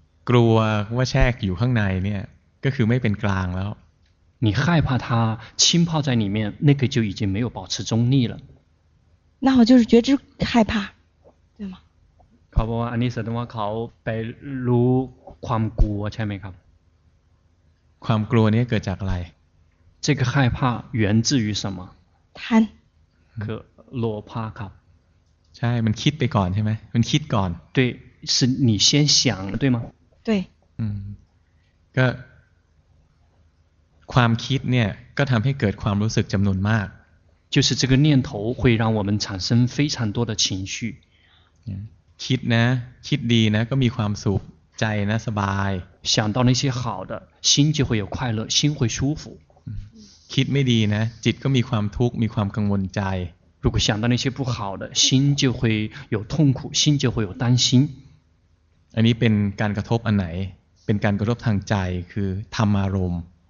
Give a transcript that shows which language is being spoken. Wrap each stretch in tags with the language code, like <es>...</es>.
<th>กลัวว่าแช่อยู่ข้างในเนี่ยก็คือไม่เป็นกลางแล้ว</th> <zh>你害怕它浸泡在里面那个就已经没有保持中立了那我就是觉知害怕对吗</zh> <th>เขาบอกว่าอันนี้แสดงว่าเขาไปรู้ความกลัวใช่ไหมครับ ความกลัวนี้เกิดจากอะไร</th> <zh>这个害怕源自于什么贪</zh> <th>คือโลภะครับ ใช่มันคิดไปก่อนใช่ไหมมันคิดก่อน</th> <zh>对是你先想对吗对</zh> <th>ก็ความคิดเนี่ยก็ทำให้เกิดความรู้สึกจำนวนมาก</th> <zh>就是这个念头会让我们产生非常多的情绪</zh> <th>คิดนะคิดดีนะก็มีความสุขใจนะสบาย</th> <zh>想到那些好的心就会有快乐心会舒服</zh> <th>คิดไม่ดีนะจิตก็มีความทุกข์มีความกังวลใจ</th> <zh>如果想到那些不好的心就会有痛苦心就会有担心</zh> <th>อันนี้เป็นการกระทบอันไหนเป็นการกระทบทางใจคือธรรมารมณ์</th>